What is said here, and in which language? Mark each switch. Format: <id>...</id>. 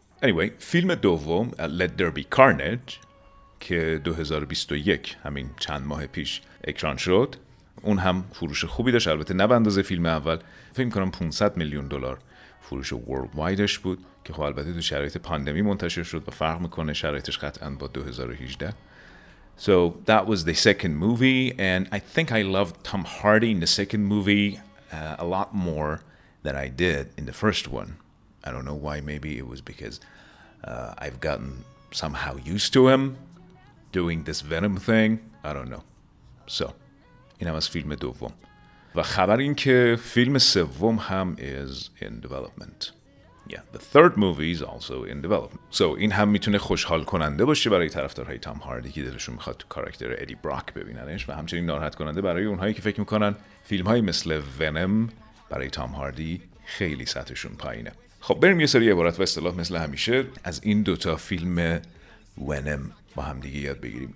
<en>Anyway,</en> <fa>فیلم دوم, Let There Be Carnage, که 2021, همین چند ماه پیش, اکران شد. اون هم فروش خوبی داشت. البته نه به اندازه فیلم اول. فکر کنم $500 میلیون فروش worldwide-اش بود. که خب البته تو شرایط پاندمی منتشر شد و فرق میکنه شرایطش قطعا با 2018.</fa> <en>So that was the second movie, and I think I loved Tom Hardy in the second movie a lot more than I did in the first one. I don't know why, maybe it was because I've gotten somehow used to him doing this Venom thing. I don't know. So,</en> <fa>این هم از فیلم دوم. و خبر این که فیلم سوم هم</fa> <en>is in development. Yeah, the third movie is also in development. So,</en> <fa>این هم میتونه خوشحال کننده باشه برای طرفدارهای تام هاردی که دلشون میخواد تو کاراکتر ادی براک ببیننش, و همچنین ناراحت کننده برای اونهایی که فکر میکنن فیلم‌های مثل ونم برای تام هاردی خیلی سطحشون پایینه. خب بریم یه سری عبارت و اصطلاح مثل همیشه از این دوتا فیلم ونم با هم دیگه یاد بگیریم.</fa>